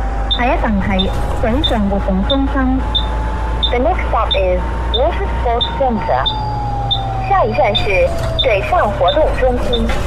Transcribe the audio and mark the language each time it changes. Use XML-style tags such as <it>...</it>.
<zh>下一站是水上活动中心。</zh> <en>The next stop is Water Sports Center.</en> <zh>下一站是水上活动中心。</zh>